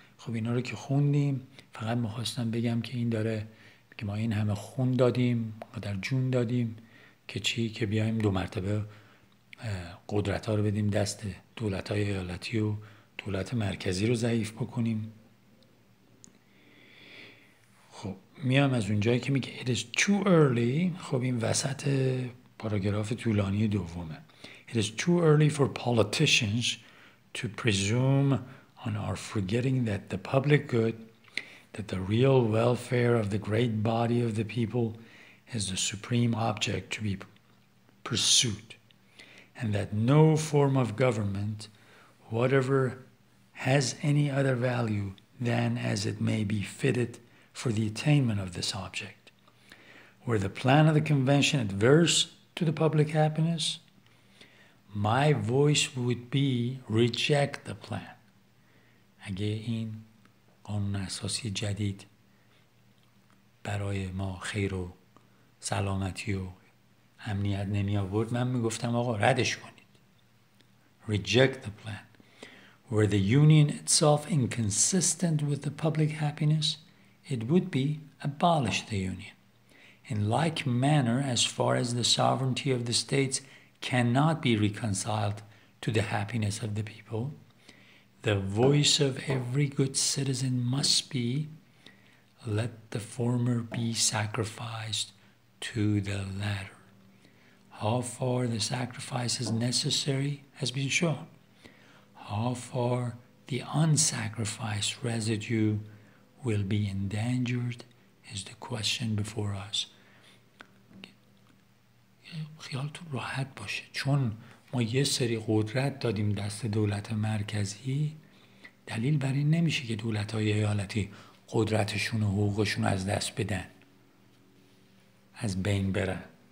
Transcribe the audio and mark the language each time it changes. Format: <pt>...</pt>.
<fa>خب اینا رو که خوندیم، فقط میخواستم بگم که این داره که ما این همه خون دادیم، مادر جون دادیم که چی؟ که بیایم دو مرتبه قدرت ها رو بدیم دست دولت های ایالتی و دولت مرکزی رو ضعیف بکنیم. خب میام از اونجایی که میگه It is too early. خب این وسط پاراگراف طولانی دومه.</fa> <en>It is too early for politicians to presume on our forgetting that the public good, that the real welfare of the great body of the people is the supreme object to be pursued, and that no form of government, whatever, has any other value than as it may be fitted for the attainment of this object. Were the plan of the convention adverse to the public happiness, my voice would be reject the plan.</en> <fa>اگه این قانون اساسی جدید برای ما خیر و سلامتی و امنیت نمی آورد، من می گفتم آقا ردش کنید.</fa> <en>Reject the plan. Were the union itself inconsistent with the public happiness, it would be abolish the union. In like manner, as far as the sovereignty of the states cannot be reconciled to the happiness of the people, the voice of every good citizen must be, let the former be sacrificed to the latter. How far the sacrifice is necessary has been shown. How far the unsacrificed residue will be endangered is the question before us.</en> <fa>خیالتون راحت باشه، چون ما یه سری قدرت دادیم دست دولت مرکزی، دلیل بر این نمیشه که دولت‌های ایالتی قدرتشون و حقوقشون از دست بدن، از بین برن.</fa>